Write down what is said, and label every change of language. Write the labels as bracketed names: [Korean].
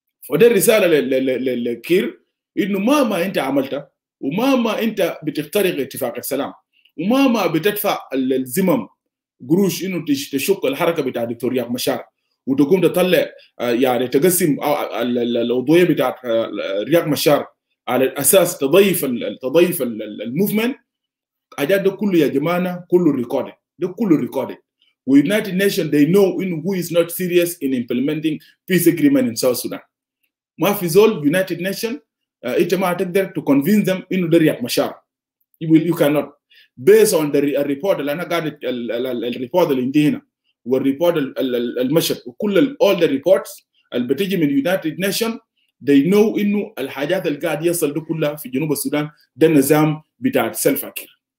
[Arabic] وده الرسالة للكير إنه مهما أنت عملتها ومهما أنت بتخترق اتفاق السلام ومهما بتدفع الزمم قروش إنه تشق الحركة بتاع دكتور ياق مشار وتقوم تطلع يعني تقسم العضوية بتاع ياق مشار على الأساس تضيف الموفمنت، أجل ده كله يا جمانة كله ريكوردي، ده كله ريكوردي. [English] United Nations they know in who is not serious in implementing peace agreement in South Sudan. [Arabic] ما في زول United Nations إنت ما تقدر [English] to convince them [Arabic] إنه ده رياق مشار. [English] You cannot. [Arabic] Based on the report اللي أنا قاعدت الريبورت اللي عندي هنا والريبورت المشهد وكل [English] all the reports [Arabic] اللي بتجي من United Nations [English] they know [Arabic] إنه الحاجات اللي قاعد يصل ده كلها في جنوب السودان ده نظام بتاع السلفاكير.